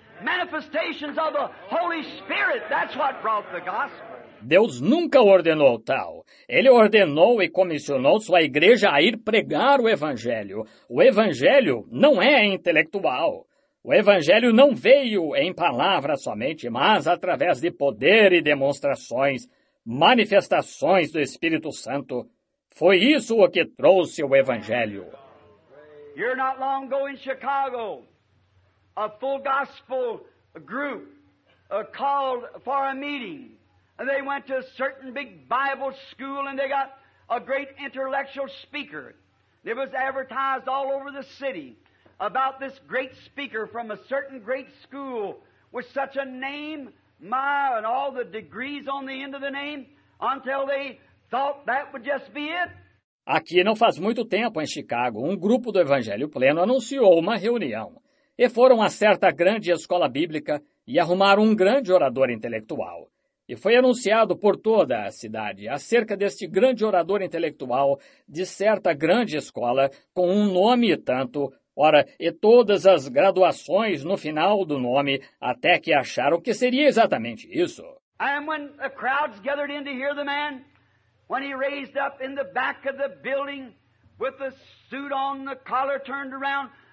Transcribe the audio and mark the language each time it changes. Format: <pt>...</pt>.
<en>Manifestations of the Holy Spirit. That's what brought the gospel.</en> <pt>Deus nunca ordenou tal. Ele ordenou e comissionou sua igreja a ir pregar o evangelho. O evangelho não é intelectual. O evangelho não veio em palavras somente, mas através de poder e demonstrações, manifestações do Espírito Santo. Foi isso o que trouxe o evangelho.</pt> <en>You're not long ago in Chicago. A full gospel group called for a meeting. And they went to a certain big Bible school and they got a great intellectual speaker. It was advertised all over the city about this great speaker from a certain great school with such a name, my, and all the degrees on the end of the name, until they thought that would just be it.</en> <pt>Aqui não faz muito tempo, em Chicago, grupo do Evangelho Pleno anunciou uma reunião. E foram a certa grande escola bíblica e arrumaram grande orador intelectual. E foi anunciado por toda a cidade acerca deste grande orador intelectual de certa grande escola com nome e tanto, ora, e todas as graduações no final do nome, até que acharam que seria exatamente isso.</pt> <en>And when the crowds gathered in to hear the man, when he raised up in the back of the building with the suit on, the collar turned around,</en>